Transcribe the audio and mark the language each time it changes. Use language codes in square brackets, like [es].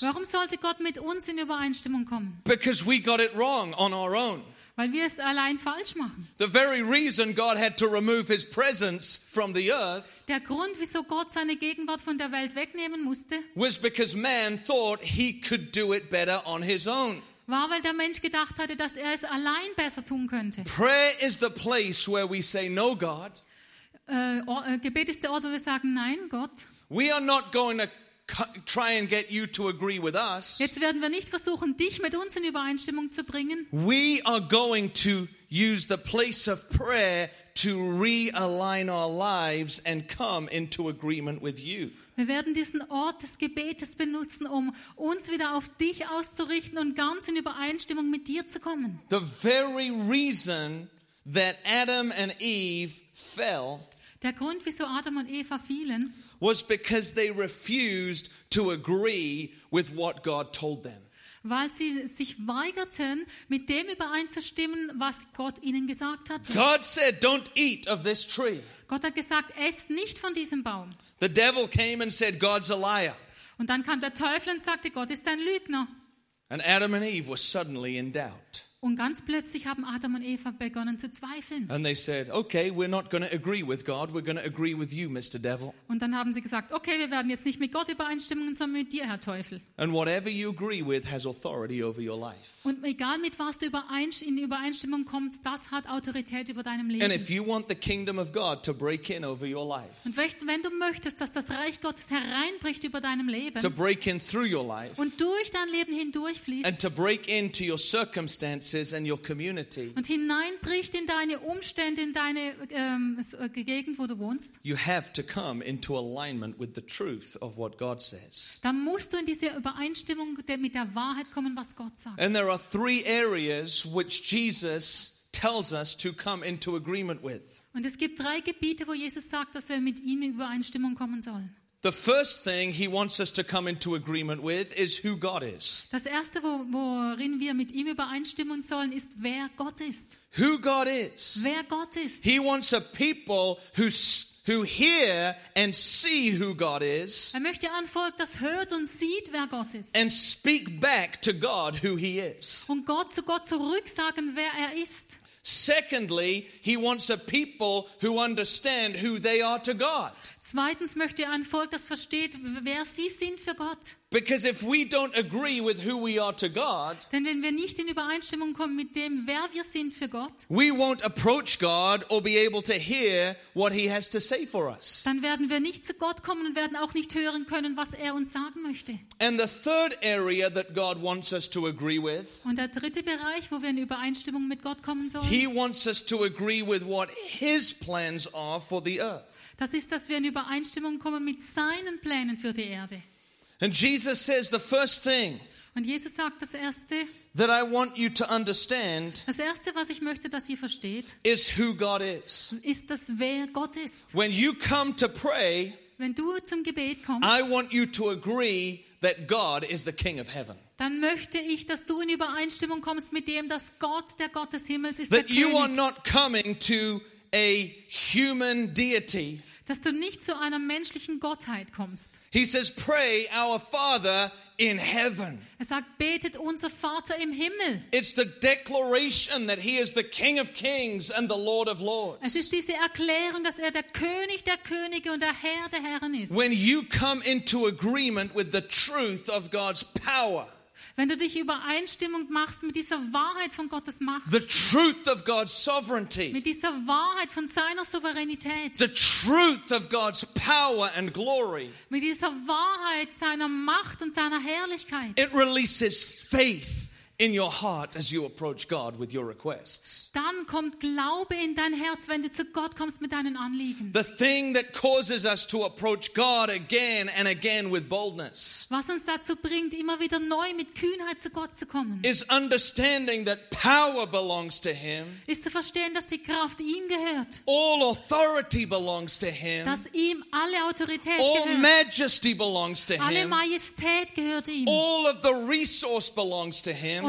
[de] Warum sollte Gott mit uns in Übereinstimmung kommen? [en] Because we got it wrong on our own. [de] Weil wir es allein falsch machen. [en] The very reason God had to remove his presence from the earth. [de] Der Grund, wieso Gott seine Gegenwart von der Welt wegnehmen musste. [en] Was because man thought he could do it better on his own. [de] War, weil der Mensch gedacht hatte, dass er es allein besser tun könnte. [en] Prayer is the place where we say no, God. [de] Gebet ist der Ort, wo wir sagen, nein, Gott. [en] We are not going to try and get you to agree with us. [de] Jetzt werden wir nicht versuchen, dich mit uns in Übereinstimmung zu bringen. [en] We are going to use the place of prayer to realign our lives and come into agreement with you. [de] Wir werden diesen Ort des Gebetes benutzen, um uns wieder auf dich auszurichten und ganz in Übereinstimmung mit dir zu kommen. [en] The very reason that Adam and Eve fell, [de] der Grund, wieso Adam und Eva fielen, [en] was because they refused to agree with what God told them. [de] Weil sie sich weigerten, mit dem übereinzustimmen, was Gott ihnen gesagt hat. [en] God said, "Don't eat of this tree." [de] Gott hat gesagt, esst nicht von diesem Baum. [en] The devil came and said, "God's a liar." [de] Und dann kam der Teufel und sagte, Gott ist ein Lügner. [en] And Adam and Eve were suddenly in doubt. [de] Und ganz plötzlich haben Adam und Eva begonnen zu zweifeln. [en] And they said, "Okay, we're not going to agree with God. We're going to agree with you, Mr. Devil." [de] Und dann haben sie gesagt, okay, wir werden jetzt nicht mit Gott übereinstimmen, sondern mit dir, Herr Teufel. [en] And whatever you agree with has authority over your life. [de] Und egal mit was du in Übereinstimmung kommst, das hat Autorität über deinem Leben. [en] And if you want the kingdom of God to break in over your life. [de] Und wenn du möchtest, dass das Reich Gottes hereinbricht über deinem Leben. [en] To break in through your life. [de] Und durch dein Leben hindurchfließt. [en] And to break into your circumstances. And your community. [de] Und hineinbricht in deine Umstände, in deine Gegend, wo du wohnst. [en] You have to come into alignment with the truth of what God says. [de] Dann musst du in diese Übereinstimmung mit der Wahrheit kommen, was Gott sagt. [en] And there are three areas which Jesus tells us to come into agreement with. [de] Und es gibt drei Gebiete, wo Jesus sagt, dass wir mit ihm in Übereinstimmung kommen sollen. [en] The first thing he wants us to come into agreement with is who God is. [de] Das erste, worin wir mit ihm übereinstimmen sollen, ist wer Gott ist. [en] Who God is. [de] Wer Gott ist. [en] He wants a people who hear and see who God is. [de] Er möchte ein Volk, das hört und sieht, wer Gott ist. [en] And speak back to God who he is. [de] Und Gott zu Gott zurücksagen, wer er ist. [en] Secondly, he wants a people who understand who they are to God. [de] Zweitens möchte er ein Volk, das versteht, wer sie sind für Gott. [en] Because if we don't agree with who we are to God, [de] denn wenn wir nicht in Übereinstimmung kommen mit dem, wer wir sind für Gott, [en] we won't approach God or be able to hear what he has to say for us. [de] Dann werden wir nicht zu Gott kommen und werden auch nicht hören können, was er uns sagen möchte. [en] And the third area that God wants us to agree with, [de] und der dritte Bereich, wo wir in Übereinstimmung mit Gott kommen sollen, [en] he wants us to agree with what his plans are for the earth. [de] Das ist, dass wir in Übereinstimmung kommen mit seinen Plänen für die Erde. [en] And Jesus says the first thing. [de] Und Jesus sagt das erste. [en] That I want you to understand. [de] Das erste, was ich möchte, dass ihr versteht. [en] Is who God is. [de] Ist das, wer Gott ist. [en] When you come to pray. [de] Wenn du zum Gebet kommst. [en] I want you to agree that God is the King of Heaven. [de] Dann möchte ich, dass du in Übereinstimmung kommst mit dem, dass Gott der Gott des Himmels ist. [en] That [de] der [en] you [de] König. [en] Are not coming to a human deity. [de] dass du nicht zu einer menschlichen Gottheit kommst. [en] He says, pray our Father in heaven. [de] Er sagt, betet unser Vater im Himmel. [en] It's the declaration that he is the King of Kings and the Lord of Lords. [de] Es ist diese Erklärung, dass er der König der Könige und der Herr der Herren ist. [en] When you come into agreement with the truth of God's power. [de] Wenn du dich Übereinstimmung machst mit dieser Wahrheit von Gottes Macht, [en] the truth of God's sovereignty, [de] mit dieser Wahrheit von seiner Souveränität, [en] the truth of God's power and glory, [de] mit dieser Wahrheit seiner Macht und seiner Herrlichkeit, [en] it releases faith in your heart as you approach God with your requests. [de] Dann kommt Glaube in dein Herz, wenn du zu Gott kommst mit deinen Anliegen. [en] The thing that causes us to approach God again and again with boldness. [de] Was uns dazu bringt, immer wieder neu mit Kühnheit zu Gott zu kommen. [en] Is understanding that power belongs to him. [de] Ist zu verstehen, dass die Kraft ihm gehört. [en] All authority belongs to him. [de] Dass ihm alle Autorität [en] all [de] gehört. [en] All majesty belongs to [de] alle [en] him. [de] Alle Majestät gehört ihm. [en] All of the resource belongs to him.